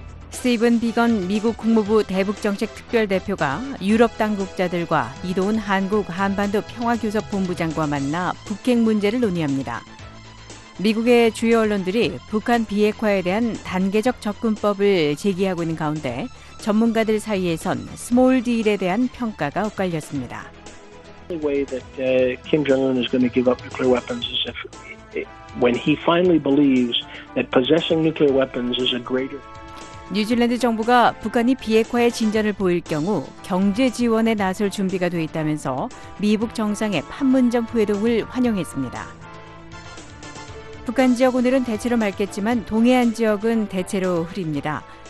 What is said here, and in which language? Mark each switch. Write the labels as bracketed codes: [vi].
[ko] 스티븐 비건 미국 국무부 대북정책특별대표가 유럽 당국자들과 이도훈 한국 한반도 평화교섭본부장과 만나 북핵 문제를 논의합니다. 미국의 주요 언론들이 북한 비핵화에 대한 단계적 접근법을 제기하고 있는 가운데 전문가들 사이에선 스몰 딜에 대한 평가가 엇갈렸습니다. [en] The only way that Kim Jong-un is going to give up nuclear weapons is if when he finally believes that possessing nuclear weapons is a greater [ko] 뉴질랜드 정부가 북한이 비핵화에 진전을 보일 경우 경제 지원에 나설 준비가 돼 있다면서 미북 정상의 판문점 회동을 환영했습니다. 북한 지역 오늘은 대체로 맑겠지만 동해안 지역은 대체로 흐립니다.